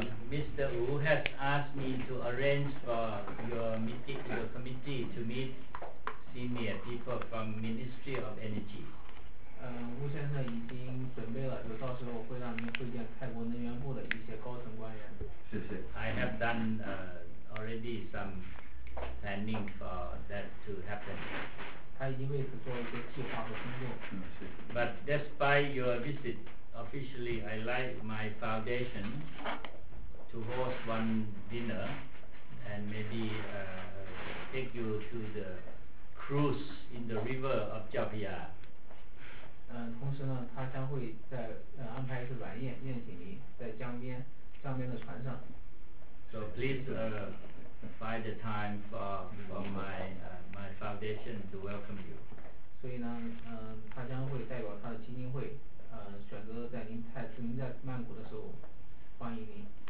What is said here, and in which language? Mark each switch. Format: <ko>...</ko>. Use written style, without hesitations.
<en>Mr. Wu has asked me to arrange for your committee. to meet senior people from Ministry of Energy.</en> <zh>吴先生已经准备了，就到时候会让您会见泰国能源部的一些高层官员。谢谢。</zh> <en>I have done already some planning for that to happen.</en> <zh>他已经为此做了一些计划和工作。嗯，谢谢。</zh> <en>But despite your visit, officially, I like my foundation to host one dinner and maybe take you to the cruise in the river of Javia.</en> <zh>同时呢，他将会在安排一次晚宴，宴请您在江边的船上。</zh> <en>So please find the time for my foundation to welcome you.</en> <zh>所以呢，他将会代表他的基金会，选择在您泰驻您在曼谷的时候欢迎您。</zh>